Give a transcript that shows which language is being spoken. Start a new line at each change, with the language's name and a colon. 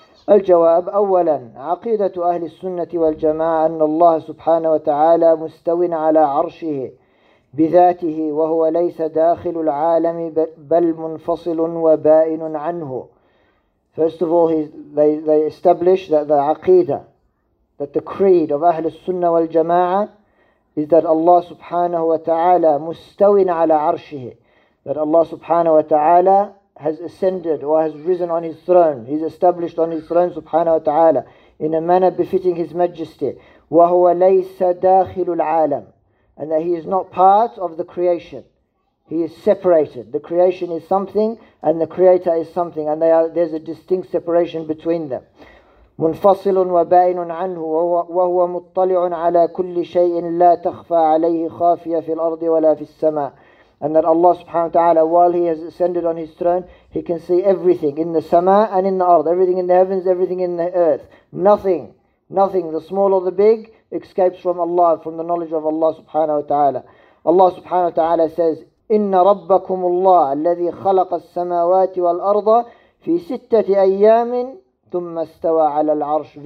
Arabic: الجواب أولا عقيدة أهل السنة والجماعة أن الله سبحانه وتعالى مستوى على عرشه بذاته وهو ليس داخل العالم بل منفصل وبائن عنه.
English: First of all, they establish that the عقيدة, that the creed of أهل السنة والجماعة is that Allah subhanahu wa ta'ala mustawin ala arshihi, that Allah subhanahu wa ta'ala has ascended or has risen on his throne, he's established on his throne subhanahu wa ta'ala in a manner befitting his majesty,
Arabic: وَهُوَ لَيْسَ دَاخِلُ الْعَالَمِ,
English: and that he is not part of the creation, he is separated. The creation is something and the creator is something, and there's a distinct separation between them.
Arabic: منفصل وبائن عنه وهو مطلع على كل شيء لا تخفى عليه خافية في الأرض ولا في السماء.
English: And that Allah subhanahu wa ta'ala, while he has ascended on his throne, he can see everything in the sama and in the earth, everything in the heavens, everything in the earth. Nothing, the small or the big, escapes from Allah, from the knowledge of Allah subhanahu wa ta'ala. Allah subhanahu wa ta'ala says,
Arabic: إِنَّ رَبَّكُمُ اللَّهُ الَّذِي خَلَقَ السَّمَاوَاتِ وَالْأَرْضَ فِي سِتَّةِ أَيَّامٍ ثُمَّ اسْتَوَى عَلَى الْعَرْشِ.